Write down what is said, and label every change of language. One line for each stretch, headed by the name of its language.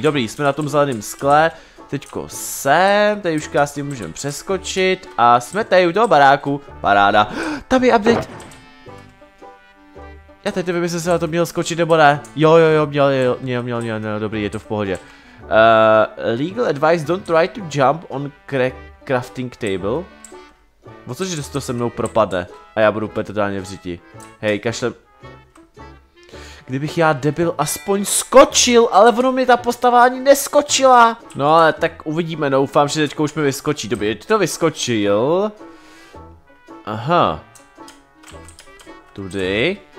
Czech: Dobrý, jsme na tom zeleném skle. Teďko sem, tady už krásně můžeme přeskočit a jsme tady u toho baráku, paráda, tam je update. Já teď nevím, jestli se na to měl skočit nebo ne, jo, měl, dobrý, je to v pohodě.
English: Legal advice, don't try to jump on crafting table.
Czech: O co, že to se mnou propadne a já budu úplně totálně v řiti. Hej, kašlem. Kdybych já debil aspoň skočil, ale ono mi ta postava ani neskočila. No ale tak uvidíme, doufám, že teďko už mi vyskočí. Dobře, je to vyskočil. Aha. Tudy.